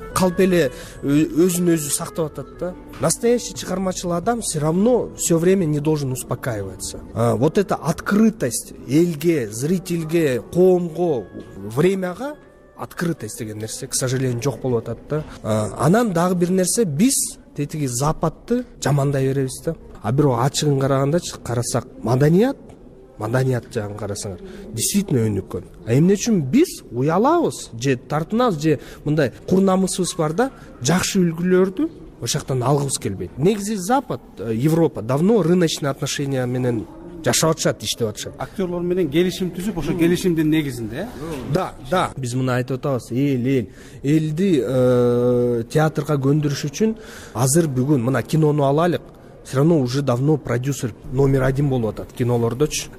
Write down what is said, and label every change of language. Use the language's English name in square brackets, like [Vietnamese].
[Kyrgyz] Калп эле өзүн өзү сактап атат да. [Russian] Настоящий [Kyrgyz] чыгармачыл адам [Russian] все равно все время не должен успокаиваться. Вот эта открытость [Kyrgyz] элге, зрительге, коомго, времяга открытость деген нерсе, [Russian] к сожалению, [Kyrgyz] жок болуп атат да. Анан дагы бир нерсе биз тетиги Западды жамандай беребиз да. А бирок ачыгын карагандачы карасак маданият жагын карасаңар действительно өнүккөн. А эмне үчүн биз уялабыз же тартынабыз же мындай курнамысыбыз бар да жакшы үлгүлөрдү ошол жактан алгыбыз келбейт. Негизи Запад, Европа [Russian] давно рыночный отношения [Kyrgyz] менен жашап атышат, иштеп атышат. Актерлор менен келишим түзүп, ошо келишимдин негизинде, э? Да, да. Биз муну айтып атабыз. Элди театрга көндүрүш үчүн азыр бүгүн мына кинону алалык. [Russian] Все равно уже давно продюсер номер один [Kyrgyz] болуп атат кинолордочу.